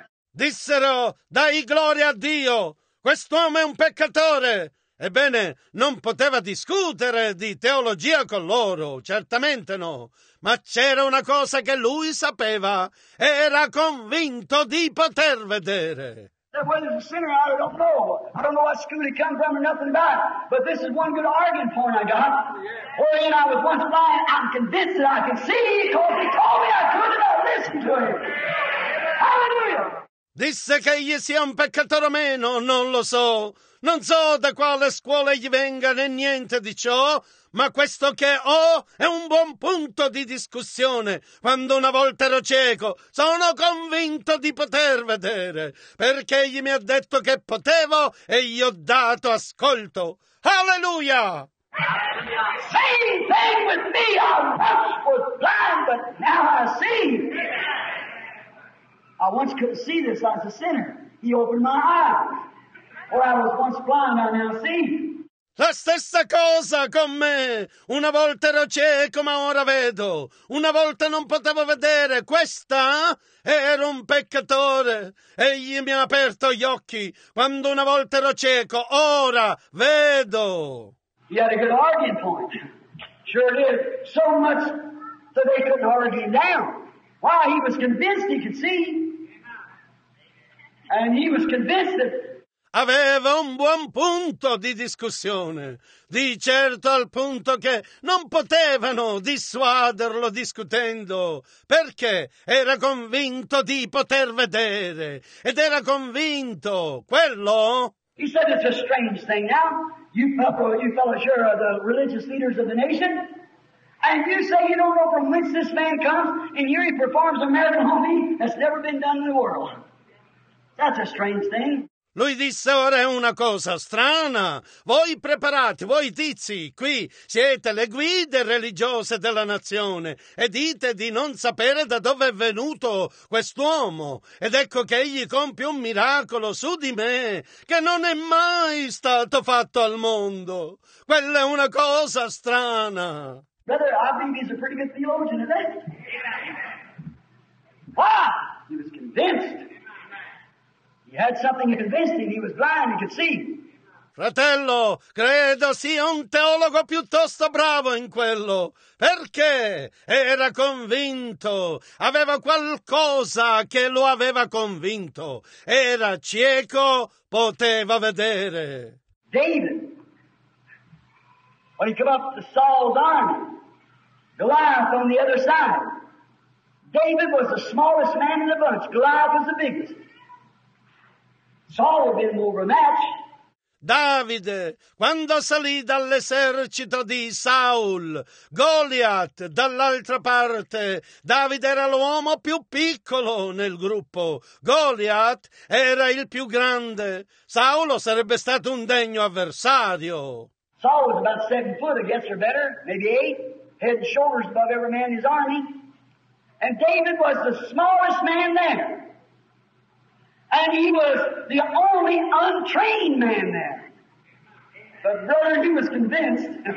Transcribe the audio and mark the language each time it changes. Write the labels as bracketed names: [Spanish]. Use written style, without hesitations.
[Italian] Dissero, dai gloria a Dio, quest'uomo è un peccatore. Ebbene, non poteva discutere di teologia con loro, certamente no. Ma c'era una cosa che lui sapeva, era convinto di poter vedere. [English] That whether it's a sinner, I don't know. I don't know what school he come from or nothing about. But this is one good arguing point I got. Yeah. Or, I was once blind, I'm convinced that I can see because he told me I could not listen to him. Yeah. Hallelujah! [Italian] Disse che egli sia un peccatore o meno, non lo so. Non so da quale scuola egli venga né niente di ciò, ma questo che ho è un buon punto di discussione. Quando una volta ero cieco, sono convinto di poter vedere, perché egli mi ha detto che potevo e gli ho dato ascolto. Alleluia! [English] Same thing with me, I was blind, but now I see. I once couldn't see this as a sinner. He opened my eyes. Or I was once blind, I now see. [Italian] La stessa cosa con me. Una volta ero cieco, ma ora vedo. Una volta non potevo vedere. Questa era un peccatore. Egli mi ha aperto gli occhi. Quando una volta ero cieco, ora vedo. [English] He had a good argument point. Sure did. So much that they couldn't argue down. Why, he was convinced he could see. And he was convinced that [Italian] aveva un buon punto di discussione. Di certo al punto che non potevano dissuaderlo discutendo, perché era convinto di poter vedere, ed era convinto quello. [English] He said it's a strange thing now. You fellows here are the religious leaders of the nation. And you say you don't know from whence this man comes, and here he performs a miracle on me that's never been done in the world. That's a strange thing. [Italian] Lui disse, ora è una cosa strana. Voi preparate, voi tizi, qui siete le guide religiose della nazione e dite di non sapere da dove è venuto quest'uomo. Ed ecco che egli compie un miracolo su di me che non è mai stato fatto al mondo. Quella è una cosa strana. [English] Brother, I believe he's a pretty good theologian, isn't he? Ah! He was convinced. He had something to convince him. He was blind, he could see. [Italian] Fratello, credo sia un teologo piuttosto bravo in quello. Perché era convinto, aveva qualcosa che lo aveva convinto. Era cieco, poteva vedere. [English] David, when he came up to Saul's army, Goliath on the other side. David was the smallest man in the bunch. Goliath was the biggest. Saul had been overmatched. [Italian] Davide, quando salì dall'esercito di Saul, Goliath dall'altra parte, Davide era l'uomo più piccolo nel gruppo. Goliath era il più grande. Saul sarebbe stato un degno avversario. [English] Saul was about 7 foot, I guess, or better, maybe 8, head and shoulders above every man in his army. And David was the smallest man there. And he was the only untrained man there. But brother, he was convinced.